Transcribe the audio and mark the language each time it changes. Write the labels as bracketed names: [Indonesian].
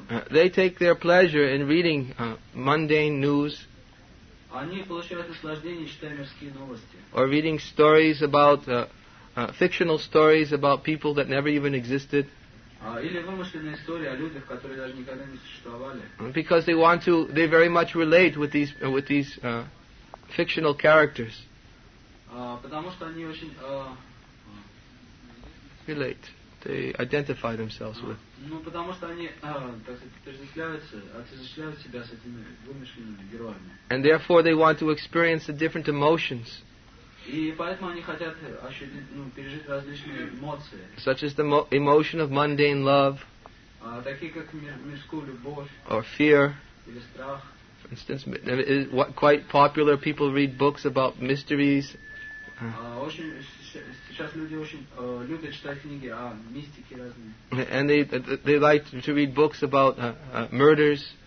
[English] They take their pleasure in reading mundane news. [Russian] Они получают наслаждение, читая мирские новости. [English] Or reading stories about fictional stories about people that never even existed. [Russian] Или вымышленные истории о людях, которые даже никогда не существовали. [English] Because they want to, they very much relate with these fictional characters. [Russian] Потому что они очень [English] relate. They identify themselves with. [Russian] Ну потому что они, так сказать, отождествляют себя с этими вымышленными героями. [English] And therefore they want to experience the different emotions. [Russian] И поэтому они хотят ощутить, ну, пережить различные эмоции. [English] Such as the emotion of mundane love. [Russian] Такие как мирскую любовь. [English] Or fear. [Russian] Или страх. [English] For instance, quite popular, people read books about mysteries. And they like to read books about murders.